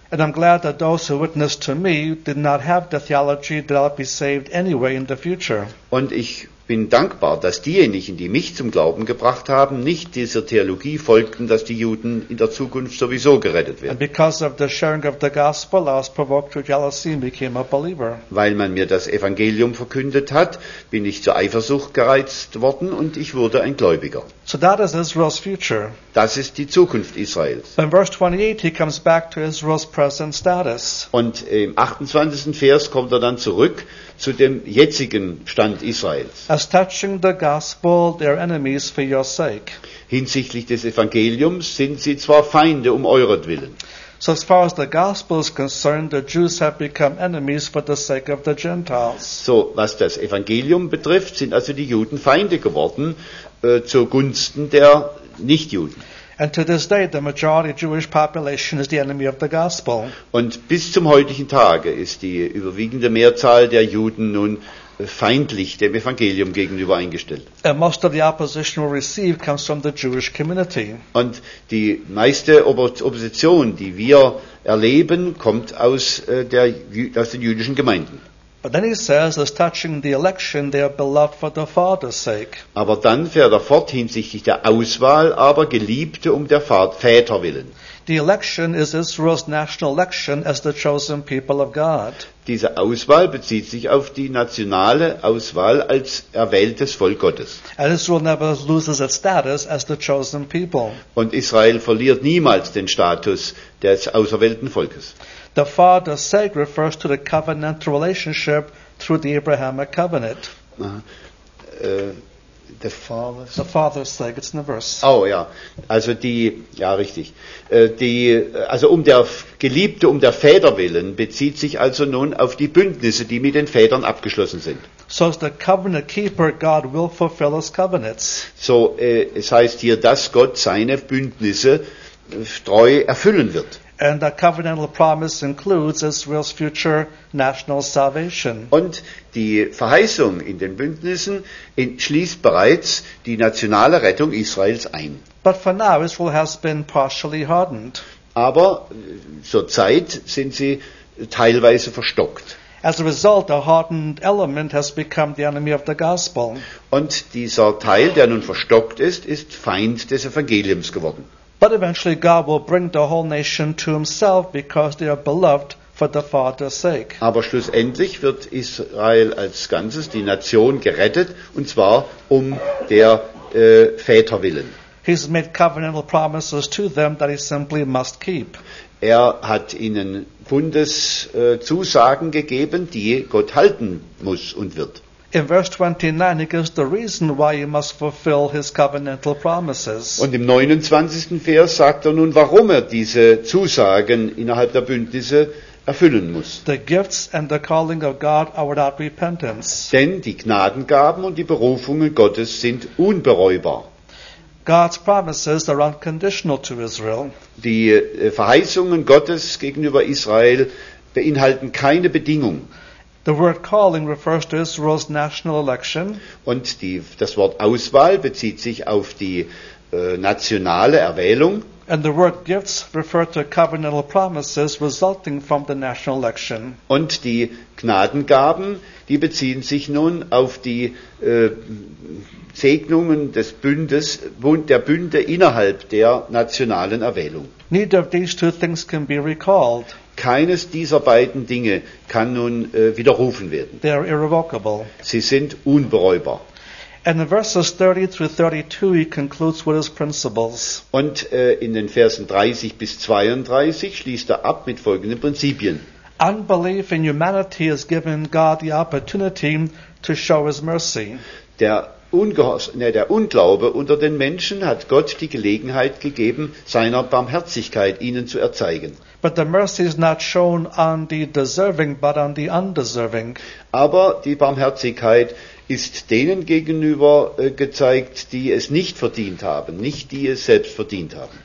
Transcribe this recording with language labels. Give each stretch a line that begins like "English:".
English: And I'm glad that those who witnessed to me did not have the theology that I'll be saved anyway in the future.
German: Und ich bin dankbar, dass diejenigen, die mich zum Glauben gebracht haben, nicht dieser Theologie folgten, dass die Juden in der Zukunft sowieso gerettet werden.
English: And because of the sharing of the gospel, I was provoked to jealousy and became a believer.
German: Weil man mir das Evangelium verkündet hat, bin ich zur Eifersucht gereizt worden und ich wurde ein Gläubiger.
English: So that is Israel's future.
German: Das ist die Zukunft Israels.
English: In verse 28 he comes back to Israel's present status.
German: Und im 28. Vers kommt dann zurück zu dem jetzigen Stand Israels.
English: As touching the gospel, their enemies for your sake.
German: Hinsichtlich des Evangeliums sind sie zwar Feinde um euretwillen.
English: So as far as the gospel is concerned, the Jews have become enemies for the sake of the Gentiles.
German: So, was das Evangelium betrifft, sind also die Juden Feinde geworden zugunsten der Nichtjuden.
English: And to this day, the majority Jewish population is the enemy of the gospel.
German: Und bis zum heutigen Tage ist die überwiegende Mehrzahl der Juden nun feindlich dem Evangelium gegenüber eingestellt.
English: And most of the opposition we receive comes from the Jewish community.
German: Und die meiste Opposition, die wir erleben, kommt aus den jüdischen Gemeinden.
English: But then he says, as touching the election, they are beloved for the Father's sake.
German: Aber dann fährt fort hinsichtlich der Auswahl, aber Geliebte um der Väter willen.
English: The election is Israel's national election as the chosen people of God.
German: Diese Auswahl bezieht sich auf die nationale Auswahl als erwähltes Volk Gottes.
English: And Israel never loses its status as the chosen people.
German: Und Israel verliert niemals den Status des auserwählten Volkes.
English: The Father's sake refers to the covenantal relationship through the Abrahamic covenant. The Father's. The Father's sake, it's in the verse.
German: Oh ja, also die, ja richtig. Die, also um der Geliebte, um der Väter willen, bezieht sich also nun auf die Bündnisse, die mit den Vätern abgeschlossen sind.
English: So as the covenant keeper, God will fulfill his covenants.
German: So, es heißt hier, dass Gott seine Bündnisse treu erfüllen wird.
English: And the covenantal promise includes Israel's future national salvation.
German: Und die Verheißung in den Bündnissen schließt bereits die nationale Rettung Israels ein.
English: But for now, Israel has been partially hardened.
German: Aber zurzeit sind sie teilweise verstockt.
English: As a result, a hardened element has become the enemy of the gospel.
German: Und dieser Teil, der nun verstockt ist, ist Feind des Evangeliums geworden.
English: But eventually God will bring the whole nation to himself because they are beloved for the Father's sake.
German: Aber schlussendlich wird Israel als Ganzes, die Nation, gerettet, und zwar um der Väter willen.
English: He's made covenantal promises to them that he simply must keep.
German: Er hat ihnen Bundeszusagen gegeben, die Gott halten muss und wird.
English: In verse 29 he gives the reason why he must fulfill his covenantal promises.
German: Und im 29. Vers sagt er nun, warum er diese Zusagen innerhalb der Bündnisse erfüllen muss.
English: The gifts and the calling of God are without repentance.
German: Denn die Gnadengaben und die Berufungen Gottes sind unbereubar.
English: God's promises are unconditional to Israel.
German: Die Verheißungen Gottes gegenüber Israel beinhalten keine Bedingung.
English: The word calling refers to Israel's national election.
German: Und das Wort Auswahl bezieht sich auf die nationale Erwählung.
English: And the word gifts refer to covenantal promises resulting from the national election.
German: Und die Gnadengaben, die beziehen sich nun auf die Segnungen des Bündes, der Bünde innerhalb der nationalen Erwählung.
English: Neither of these two things can be recalled.
German: Keines dieser beiden Dinge kann nun widerrufen werden.
English: They are irrevocable.
German: Sie sind unbereubar.
English: And in verses 30 through 32 he concludes with his principles.
German: Und in den Versen 30 bis 32 schließt er ab mit folgenden Prinzipien.
English: Unbelief in humanity has given God the opportunity to show his mercy.
German: Der Unglaube unter den Menschen hat Gott die Gelegenheit gegeben, seiner Barmherzigkeit ihnen zu erzeigen.
English: But the mercy is not shown on the deserving, but on the undeserving.
German: Aber die Barmherzigkeit ist denen gegenüber gezeigt, die es nicht verdient haben, nicht die es selbst verdient haben.